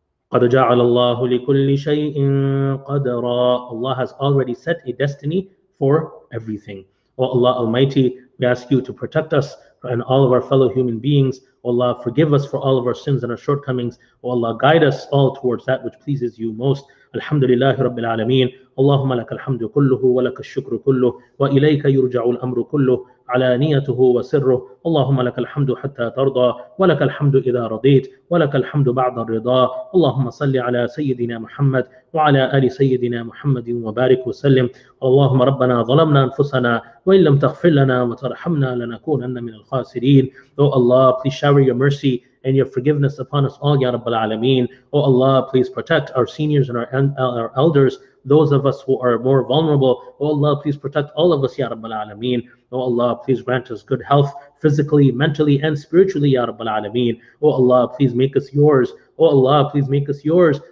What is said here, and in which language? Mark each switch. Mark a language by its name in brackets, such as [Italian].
[Arabic] قَدْ جَعَلَ اللَّهُ لِكُلِّ شَيْءٍ قَدْرًا. [English] Allah has already set a destiny for everything. O Allah Almighty, we ask You to protect us and all of our fellow human beings. O Allah, forgive us for all of our sins and our shortcomings. O Allah, guide us all towards that which pleases You most. [Arabic] Alhamdulillahi Rabbil Alameen. اللهم لك الحمد كله ولك الشكر كله وإليك يرجع الأمر كله علانيته وسره اللهم لك الحمد حتى ترضى ولك الحمد إذا رضيت ولك الحمد بعد الرضا اللهم صل على سيدنا محمد وعلى آل سيدنا محمد وبارك وسلم اللهم ربنا ظلمنا أنفسنا وإن لم تغفر لنا وترحمنا لنكونن من الخاسرين [English] Oh Allah, please shower Your mercy and Your forgiveness upon us all, Ya Rabbal Alameen. Oh Allah, please protect our seniors and our elders, those of us who are more vulnerable. Oh Allah, please protect all of us, Ya Rabbal Alameen. Oh Allah, please grant us good health, physically, mentally, and spiritually, Ya Rabbal Alameen. Oh Allah, please make us Yours. Oh Allah, please make us Yours.